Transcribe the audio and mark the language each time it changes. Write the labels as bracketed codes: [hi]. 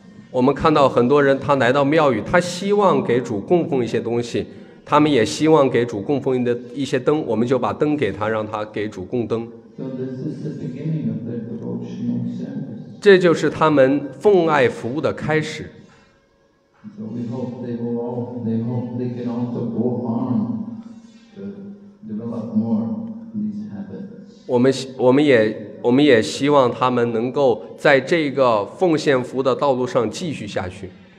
[zh] 我们看到很多人，他来到庙宇，他希望给主供奉一些东西。他们也希望给主供奉的一些灯，我们就把灯给他，让他给主供灯。 [en] So this is the beginning of their devotional service. [zh] 这就是他们奉爱服务的开始。 [en] So we hope they can also go on to develop more these habits. [zh] 我们也希望他们能够在这个奉献服务的道路上继续下去。